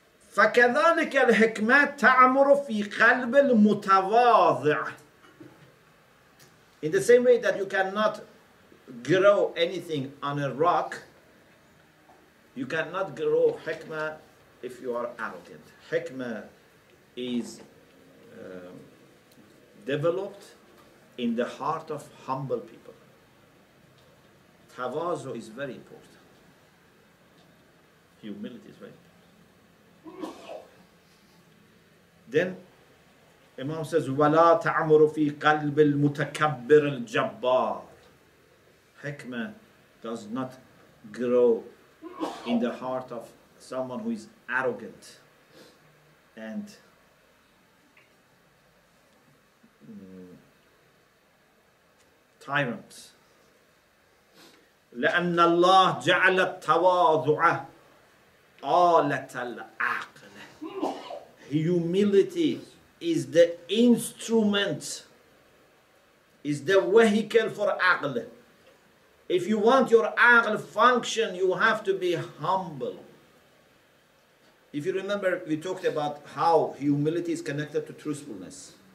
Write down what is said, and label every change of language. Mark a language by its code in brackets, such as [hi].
[ar] فكذلك الحكمة تعمر في قلب المتواضع. [en] In the same way that you cannot grow anything on a rock, you cannot grow hikmah if you are arrogant. Hikmah is developed in the heart of humble people. Tawazu is very important. Humility is very important. Then Imam says, [ar] وَلَا تَعْمُرُ فِي قَلْبِ الْمُتَكَبِّرِ الْجَبَّارِ. [en] Hikmah does not grow in the heart of someone who is arrogant and tyrant. [ar] لأن الله جعل التواضع آلة العقل. [en] Humility is the instrument, is the vehicle for aql. If you want your aql function, you have to be humble. If you remember, we talked about how humility is connected to truthfulness.